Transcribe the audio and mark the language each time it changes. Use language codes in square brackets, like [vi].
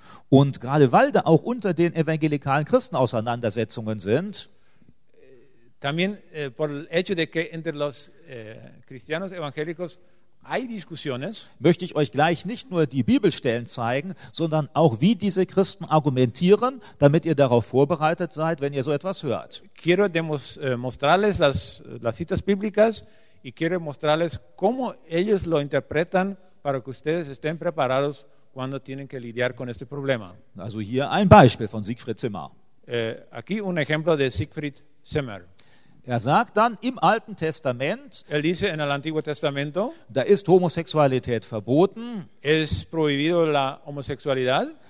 [de] Und gerade weil da auch unter den evangelikalen Christen Auseinandersetzungen sind, [es] también por el hecho de que entre los cristianos evangélicos hay discusiones, [de] möchte ich euch gleich nicht nur die Bibelstellen zeigen, sondern auch wie diese Christen argumentieren, damit ihr darauf vorbereitet seid, wenn ihr so etwas hört. [es] Quiero mostrarles las citas bíblicas y quiero mostrarles cómo ellos lo interpretan para que ustedes estén preparados cuando tienen que lidiar con este problema. [de] Also hier ein Beispiel von Siegfried Zimmer. [es] Aquí un ejemplo de Siegfried Zimmer. [de] Er sagt dann im Alten Testament, [es] él dice en el Antiguo Testamento, [de] da ist Homosexualität verboten, [es] es prohibido la homosexualidad,